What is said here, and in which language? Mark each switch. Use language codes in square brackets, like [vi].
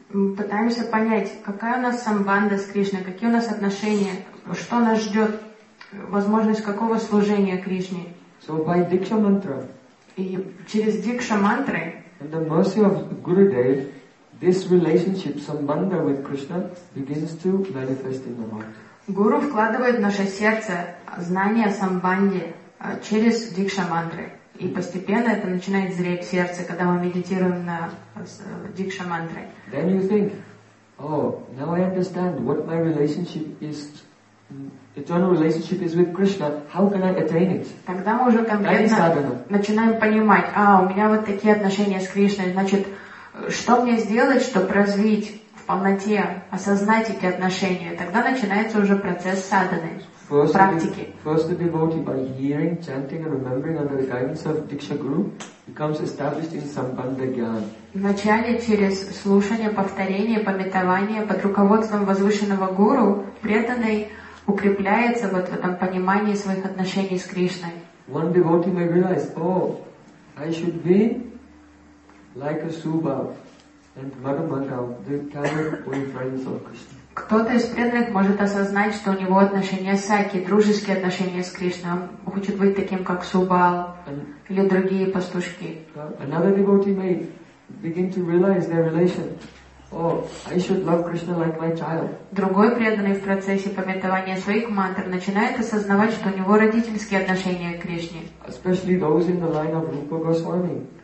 [ru] Мы пытаемся понять, какая у нас самбанда с Кришной, какие у нас отношения, что нас ждет, возможность какого служения Кришне. [en] So by Diksha Mantra. [ru] И через Дикша Мантры. [en] And the mercy of Gurudev, this relationship, samvanda with Krishna, begins to manifest in the heart. [ru] Гуру вкладывает в наше сердце знание о самбанде через дикша мантры. И постепенно это начинает зреть в сердце, когда мы медитируем на дикша мантры. [en] Then you think, oh, now I understand what my relationship is, eternal relationship is with Krishna. How can I attain it? [ru] Тогда мы уже конкретно начинаем понимать, а, у меня вот такие отношения с Кришной, значит, что мне сделать, чтобы развить в полноте осознать эти отношения, тогда начинается уже процесс садханы, практики. [en] First the devotee by hearing, chanting and remembering under the guidance of Diksha Guru becomes established in Sambandha Gyan. [ru] Вначале через слушание, повторение, памятование под руководством возвышенного гуру преданный укрепляется вот в этом понимании своих отношений с Кришной. [en] One devotee may realize, oh, I should be like a Subhav and Madhumandav, the tolerant friends of Krishna. [ru] Кто-то из преданных может осознать, что у него отношения с Саки, дружеские отношения с Кришной. Он хочет быть таким, как Субал или другие пастушки. [en] Another devotee may begin to realize their relation. Oh, I should love Krishna like my child. [ru] Другой преданный в процессе памятования своих мантр начинает осознавать, что у него родительские отношения к Кришне. [en] Especially those in the line of Rupa Goswami.